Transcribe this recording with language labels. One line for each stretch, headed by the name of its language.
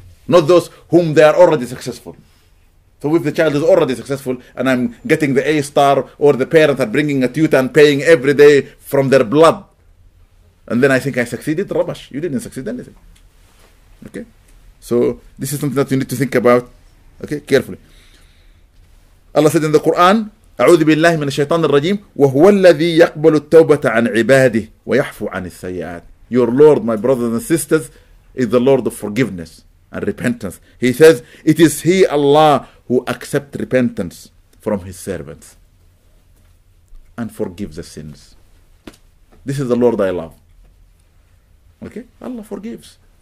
English: Not those whom they are already successful. So if the child is already successful and I'm getting the A star, or the parents are bringing a tutor and paying every day from their blood, and then I think I succeeded, rubbish. You didn't succeed anything. Okay? So this is something that you need to think about. Okay? Carefully. Allah said in the Quran,
Arabic: أعوذ بالله من الشيطان الرجيم وهو الذي يقبل التوبة عن عباده ويحفو عن السيئات.
English: Your Lord, my brothers and sisters, is the Lord of forgiveness and repentance. He says, it is He, Allah, who accepts repentance from His servants and forgives the sins. This is the Lord I love. Okay? Allah forgives.